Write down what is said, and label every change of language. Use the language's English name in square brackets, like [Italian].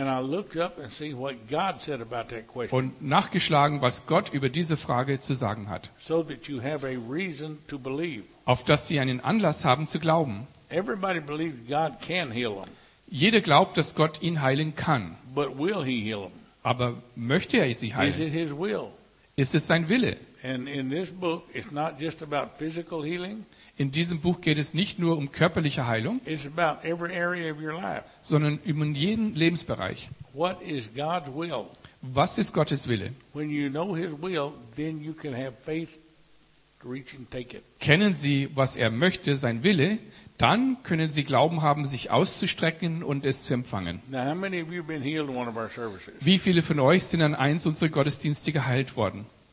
[English] and I looked up and see what God said about that question. [German] Und nachgeschlagen, was Gott über diese Frage zu sagen hat. [English] So that you have a reason to believe. [German] Auf dass sie einen Anlass haben zu glauben. [English] Everybody believes God can heal them. [German] Jeder glaubt, dass Gott ihn heilen kann. [English] But will he heal him? [German] Aber möchte er sie heilen? [English] Is it his will? [German] Ist es sein Wille? [English] And in this book, it's not just about physical healing. [German] In diesem Buch geht es nicht nur um körperliche Heilung, [English] it's about every area of your life. [German] Sondern um jeden Lebensbereich. [English] What is God's will? [German] Was ist Gottes Wille? [English] When you know his will, then you can have faith to reach and take it. [German] Kennen Sie, was er möchte, sein Wille? Dann können sie Glauben haben, sich auszustrecken und es zu empfangen. Wie viele von euch sind an eins unserer Gottesdienste geheilt worden?